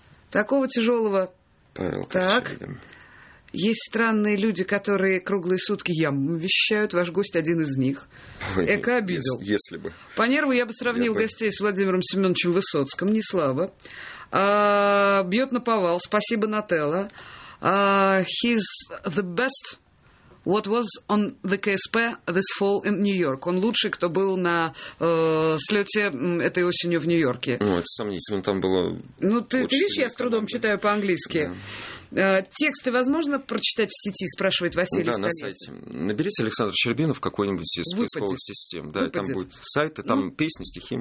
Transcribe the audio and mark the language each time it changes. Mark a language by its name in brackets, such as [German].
[Russian] Такого тяжелого. Павел так. Корчагин. Есть странные люди, которые круглые сутки ямам вещают, ваш гость один из них. Эко обидел. Если бы. По нерву я бы сравнил гостей с Владимиром Семеновичем Высоцким, не слабо. Бьет на повал. Спасибо, Нателла. [English] He's the best what was on the KSP this fall in New York. [Russian] Он лучший, кто был на слете этой осенью в Нью-Йорке. Ну, это сомнительно, там было... Ну, ты видишь, я с трудом читаю по-английски. [English] Yeah. [Russian] Тексты возможно прочитать в сети, спрашивает Василий Столетов. Да, на сайте. Наберите Александр Щербинов какой-нибудь из поисковых систем. Да, там будет сайт, и там песни, стихи.